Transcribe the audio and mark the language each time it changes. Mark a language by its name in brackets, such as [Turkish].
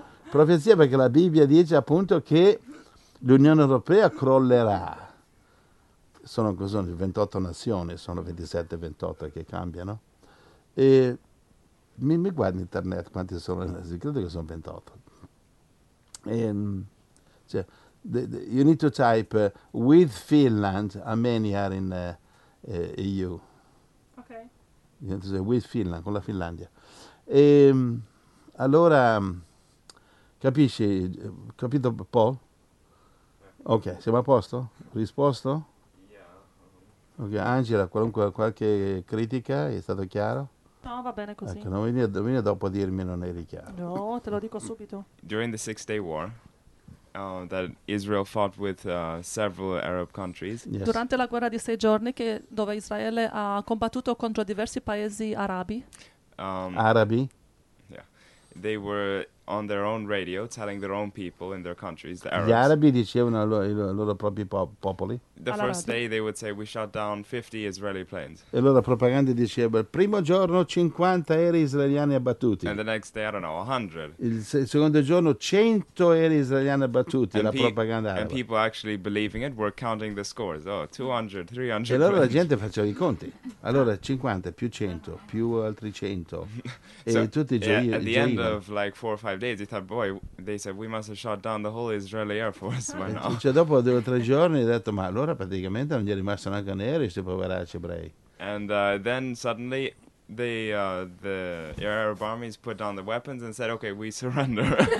[Italian] Profezia, perché la Bibbia dice appunto che l'Unione Europea crollerà. Sono 28 nazioni, sono 27, 28 che cambiano. E mi guardi in internet quanti sono, credo che sono 28. E, cioè, [English] you need to type with Finland, how many are in EU? Ok. With Finland, [Italian] con la Finlandia. E, allora, capisci, capito Paul? Ok, siamo a posto? Risposto? Okay. Angela, qualche critica, è stato chiaro? No, va bene così. Ecco, non venire dopo a dirmi non eri chiaro. No, te lo dico subito. [English] During the Six Day War, that Israel fought with several Arab countries. Yes. [Italian] Durante la guerra di sei giorni, dove Israele ha combattuto contro diversi paesi arabi. Arabi? [English] Yeah. They were on their own radio telling their own people in their countries, the Arabs. [Italian] Gli arabi dicevano ai loro propri popoli. [English] The first day they would say, we shot down 50 Israeli planes. [Italian] E loro propaganda diceva, il primo giorno 50 aerei israeliani abbattuti. [English] And the next day, I don't know, 100. [Italian] Il secondo giorno 100 aerei israeliani abbattuti, la propaganda araba. [English] And people actually believing it were counting the scores. Oh, 200, 300. [Italian] E allora la gente faceva i conti. Allora 50 più 100 più altri 100. E so, tutti gioivano. [English] At the end of like 4 or 5 days, you thought, boy, they said, we must have shot down the whole Israeli Air Force by now. [Italian] Cioè dopo 2 o 3 giorni ho detto, ma allora praticamente non gli è rimasto neanche nero questi poveracci ebrei. [English] And then suddenly the Arab armies put down the weapons and said, okay, we surrender.